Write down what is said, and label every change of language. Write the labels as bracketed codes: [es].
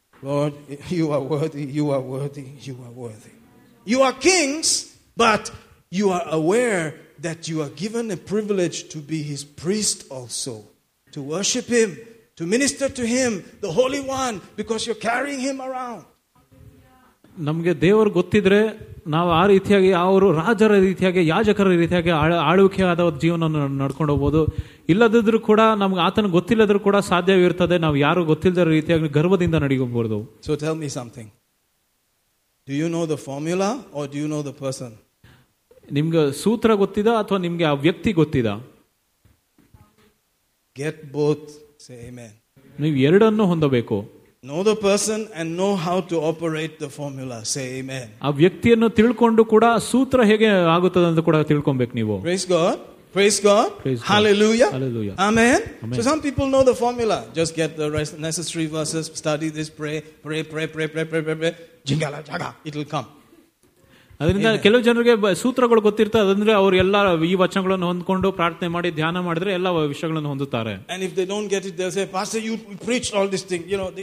[en] Lord, you are worthy, you are worthy, you are worthy." You are kings, but you are aware that you are given a privilege to be his priest also. To worship him, to minister to him, the Holy One, because you're carrying him around. [kn] ನಮಗೆ ದೇವರು ಗೊತ್ತಿದ್ರೆ ನಾವು ಆ ರೀತಿಯಾಗಿ ಅವರು ರಾಜರ ರೀತಿಯಾಗಿ ಯಾಜಕರ ರೀತಿಯಾಗಿ ಆಳುವಿಕೆ ಆದ ಜೀವನ ನಡ್ಕೊಂಡು ಹೋಗ್ಬೋದು. ಇಲ್ಲದಿದ್ರು ಕೂಡ ನಮ್ಗೆ ಆತನ ಗೊತ್ತಿಲ್ಲದ್ರು ಕೂಡ ಸಾಧ್ಯವಿರುತ್ತದೆ. ನಾವು ಯಾರು ಗೊತ್ತಿಲ್ಲದ ರೀತಿಯಾಗಿ ಗರ್ವದಿಂದ ನಡೆಯಬಹುದು. [en] So tell me something, do you know the formula or do you know the person? [kn] ನಿಮ್ಗೆ ಸೂತ್ರ ಗೊತ್ತಿದ ಅಥವಾ ನಿಮ್ಗೆ ಆ ವ್ಯಕ್ತಿ ಗೊತ್ತಿದ? [en] Get both, say amen. [kn] ನೀವು ಎರಡನ್ನೂ ಹೊಂದಬೇಕು. [en] Know the person and know how to operate the formula. Say amen. [kn] ಆ ವ್ಯಕ್ತಿಯನ್ನು ತಿಳ್ಕೊಂಡು ಕೂಡ ಸೂತ್ರ ಹೇಗೆ ಆಗುತ್ತದೆ ಅಂತ ಕೂಡ ತಿಳ್ಕೊಬೇಕು ನೀವು. [en] Praise God. Praise God. Praise God. Hallelujah. Hallelujah. Amen. Amen. So some people know the formula. Just get the necessary verses, study this, pray, pray, pray, pray, pray, pray, pray, pray. Jingala jaga. It'll come. [kn] ಅದರಿಂದ ಕೆಲವು ಜನರಿಗೆ ಸೂತ್ರಗಳು ಗೊತ್ತಿರುತ್ತೆ. ಅದಂದ್ರೆ ಅವ್ರು ಎಲ್ಲ ಈ ವಚನಗಳನ್ನು ಹೊಂದ್ಕೊಂಡು ಪ್ರಾರ್ಥನೆ ಮಾಡಿ ಧ್ಯಾನ ಮಾಡಿದ್ರೆ ಎಲ್ಲ ವಿಷಯಗಳನ್ನು ಹೊಂದುತ್ತಾರೆ. [en] And if they don't get it, they'll say, "Pastor, you preached all this thing, you know."